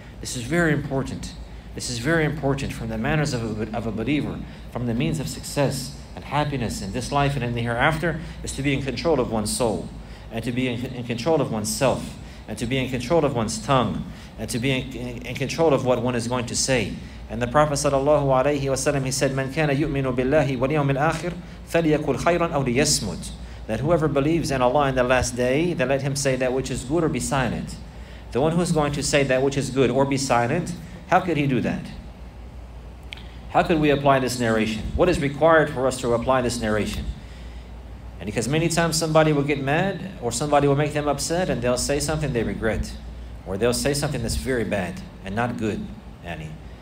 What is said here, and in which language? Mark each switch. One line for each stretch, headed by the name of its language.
English: This is very important. This is very important from the manners of a believer, from the means of success and happiness in this life and in the hereafter, is to be in control of one's soul, and to be in control of oneself, and to be in control of one's tongue, and to be in control of what one is going to say. And the Prophet sallallahu alayhi wa sallam, he said,
Arabic: مَنْ كَانَ يُؤْمِنُ بِاللَّهِ وَالْيَوْمِ الْآخِرِ فَلْيَكُلْ خَيْرًا أَوْ لِيَسْمُتْ.
English: That whoever believes in Allah in the last day, then let him say that which is good or be silent. The one who is going to say that which is good or be silent, how could he do that? How could we apply this narration? What is required for us to apply this narration? And because many times somebody will get mad, or somebody will make them upset, and they'll say something they regret, or they'll say something that's very bad and not good, Annie.